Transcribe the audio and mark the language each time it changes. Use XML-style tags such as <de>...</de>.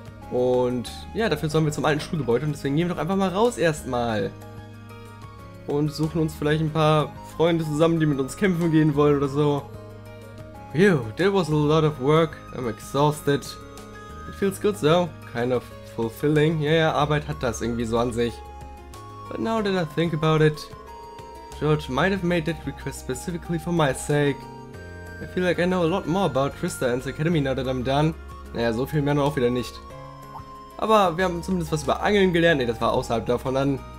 <de>Und ja, dafür sollen wir zum alten Schulgebäude und deswegen gehen wir doch einfach mal raus erstmal. Und suchen uns vielleicht ein paar Freunde zusammen, die mit uns kämpfen gehen wollen oder so.</de> <en>Phew, that was a lot of work. I'm exhausted. It feels good, though. Kind of fulfilling.</en> <de>Ja, ja, Arbeit hat das irgendwie so an sich.</de> <en>But now that I think about it, George might have made that request specifically for my sake. I feel like I know a lot more about Trista and the Academy now that I'm done.</en> <de>Naja, so viel mehr noch auch wieder nicht. Aber wir haben zumindest was über Angeln gelernt. Ne, das war außerhalb davon an.</de>